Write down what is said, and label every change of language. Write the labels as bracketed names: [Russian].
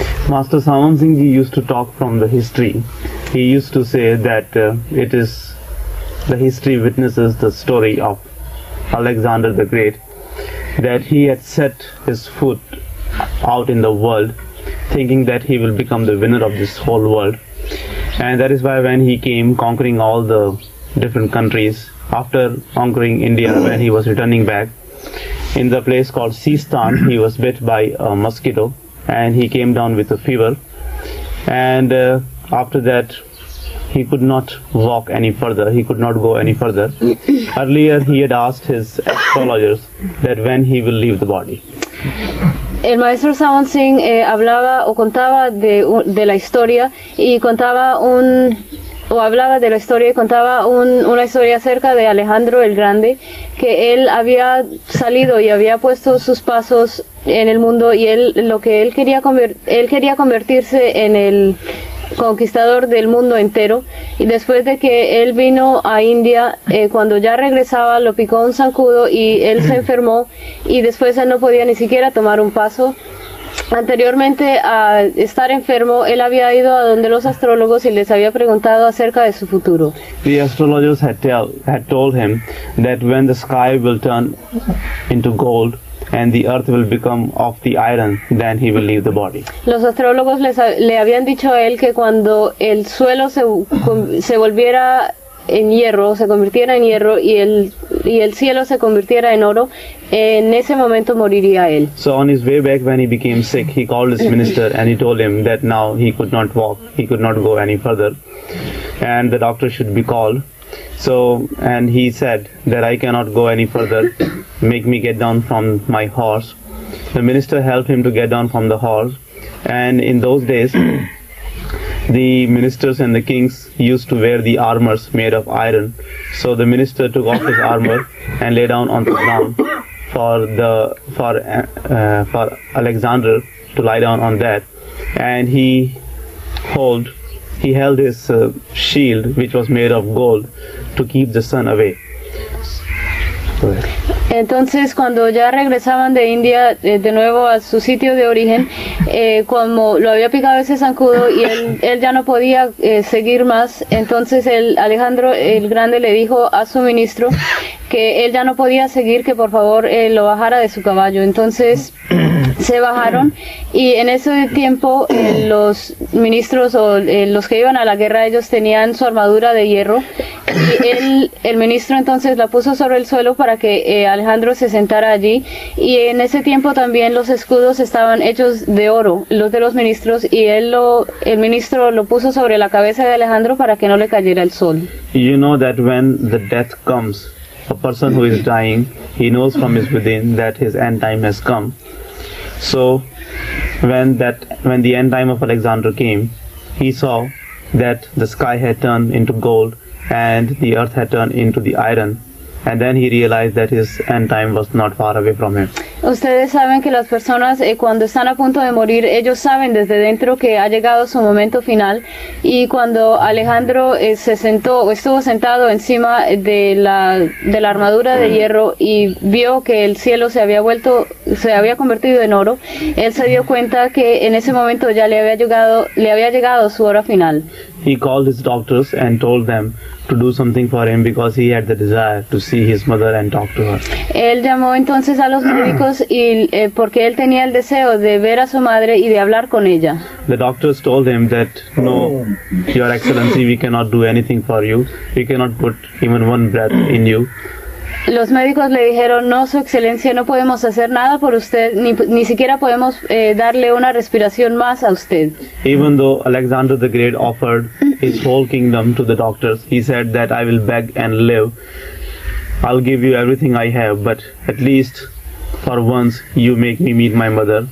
[English] Master Sawan Singh ji used to talk from the history he used to say that it is the history witnesses the story of Alexander the Great that he had set his foot out in the world thinking that he will become the winner of this whole world and that is why when he came conquering all the different countries after conquering India. When he was returning back in the place called Sistan, he was bit by a mosquito and he came down with a fever, and after that he could not walk any further, he could not go any further. Earlier he had asked his astrologers that when he will leave the body. [Spanish] El maestro Sawan Singh hablaba o contaba de la historia y contaba un o hablaba de la historia y contaba un una historia acerca de Alejandro el Grande, que él había salido y había puesto sus pasos en el mundo, y él lo que él quería convertirse en el conquistador del mundo entero. Y después de que él vino a India, cuando ya regresaba lo picó un zancudo y él se enfermó, y después él no podía ni siquiera tomar un paso. Anteriormente a estar enfermo, él había ido a donde los astrólogos y les había preguntado acerca de su futuro. [English] The astrologers had told him that when the sky will turn into gold and the earth will become of the iron, then he will leave the body. [Spanish] Los astrólogos le habían dicho a él que cuando el suelo se volviera en hierro, se convirtiera en hierro, y el cielo se convirtiera en oro, en ese momento moriría él. [English] So on his way back, when he became sick, he called his minister and he told him that now he could not walk, he could not go any further, and the doctor should be called. So, and he said that I cannot go any further, make me get down from my horse. The minister helped him to get down from the horse, and in those days the ministers and the kings used to wear the armors made of iron. So the minister took off his armor and lay down on the ground for Alexander to lie down on that, and he held his shield, which was made of gold, to keep the sun away. [Spanish] Entonces, cuando ya regresaban de India de nuevo a su sitio de origen, como lo había picado ese zancudo y él ya no podía seguir más, entonces Alejandro el Grande le dijo a su ministro que él ya no podía seguir, que por favor lo bajara de su caballo. Entonces se bajaron, y en ese tiempo los ministros o los que iban a la guerra, ellos tenían su armadura de hierro, y el ministro entonces la puso sobre el suelo para que Alejandro se sentara allí. Y en ese tiempo también los escudos estaban hechos de oro, los de los ministros, y el ministro lo puso sobre la cabeza de Alejandro para que no le cayera el sol. [English] You know that when the death comes, a person who is dying, he knows from his within that his end time has come. So when the end time of Alexander came, he saw that the sky had turned into gold and the earth had turned into the iron, and then he realized that his end time was not far away from him. [Spanish] Ustedes saben que las personas cuando están a punto de morir, ellos saben desde dentro que ha llegado su momento final. Y cuando Alejandro se sentó o estuvo sentado encima de la armadura de hierro y vio que el cielo se había convertido en oro, él se dio cuenta que en ese momento ya le había llegado su hora final. [English] He called his doctors and told them to do something for him, because he had the desire to see his mother and talk to her. [Spanish] Él llamó entonces a los médicos y porque él tenía el deseo de ver a su madre y de hablar con ella. [English] The doctors told him that no, your excellency, we cannot do anything for you. We cannot put even one breath in you. [Spanish] Los médicos le dijeron, no, su excelencia, no podemos hacer nada por usted, ni siquiera podemos darle una respiración más a usted. [English] Even though Alexander the Great offered his whole kingdom to the doctors, he said that I will beg and live. I'll give you everything I have, but at least for once you make me meet my mother.